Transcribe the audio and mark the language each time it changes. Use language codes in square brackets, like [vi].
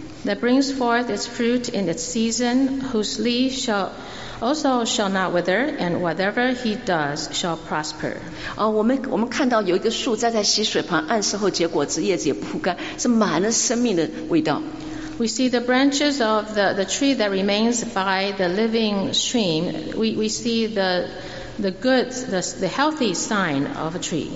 [en] That brings forth its fruit in its season, whose leaf shall also shall not wither, and whatever he does shall prosper. [zh] 我们看到有一个树栽在溪水旁，按时候结果子，叶子也不枯干，是满了生命的味道。 [en] We see the branches of the tree that remains by the living stream. We see the good, the healthy sign of a tree.